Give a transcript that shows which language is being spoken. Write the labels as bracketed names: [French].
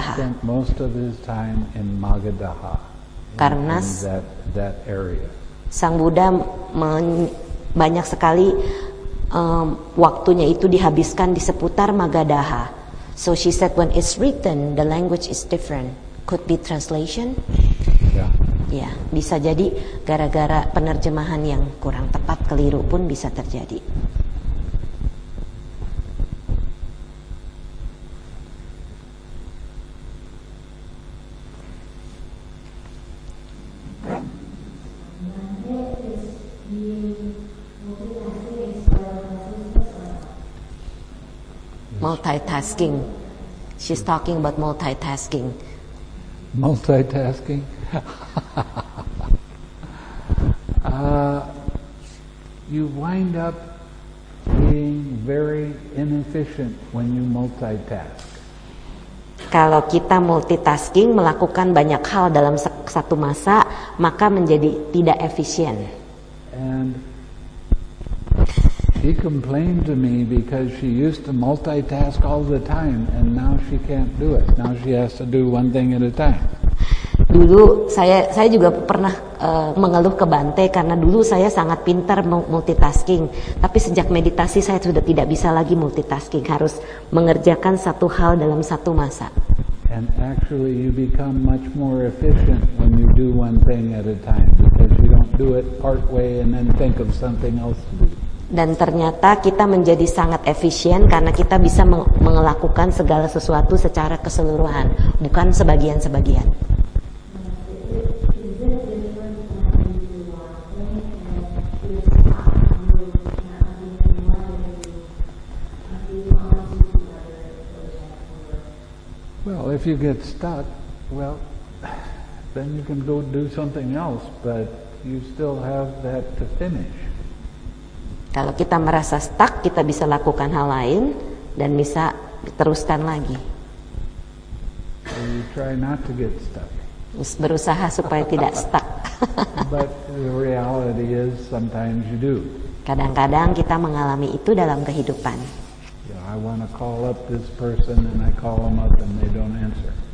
[English] He spent most of his time in Magadha. [Indonesian] Karena [English] that area. [Indonesian] Sang Buddha banyak sekali waktunya itu dihabiskan di seputar Magadha. [English] So she said, when it's written, the language is different. Could be translation. [Indonesian] Ya, bisa jadi gara-gara penerjemahan yang kurang tepat, keliru pun bisa terjadi. [English] Multitasking. She's talking about multitasking. Multitasking. You wind up being very inefficient when you multitask. [Indonesian] Kalau kita multitasking, melakukan banyak hal dalam satu masa, maka menjadi tidak efisien. [English] And she complained to me because she used to multitask all the time, and now she can't do it. Now she has to do one thing at a time. [Indonesian] Dulu saya juga pernah mengeluh ke Bante karena dulu saya sangat pintar multitasking, tapi sejak meditasi saya sudah tidak bisa lagi multitasking, harus mengerjakan satu hal dalam satu masa. [English] And actually you become much more efficient when you do one thing at a time, because you don't do it partway and then think of something else to do. [Indonesian] Dan ternyata kita menjadi sangat efisien karena kita bisa melakukan segala sesuatu secara keseluruhan, bukan sebagian-sebagian. [English] Well, if you get stuck, well, then you can go do something else, but you still have that to finish. [Indonesian] Kalau kita merasa stuck, kita bisa lakukan hal lain dan bisa teruskan lagi. [English] So you try not to get stuck. [Indonesian] Berusaha supaya tidak stuck. [English] But the reality is sometimes you do. [Indonesian] Kadang-kadang kita mengalami itu dalam kehidupan. [English] I want to call up this person and I call them up and they don't answer.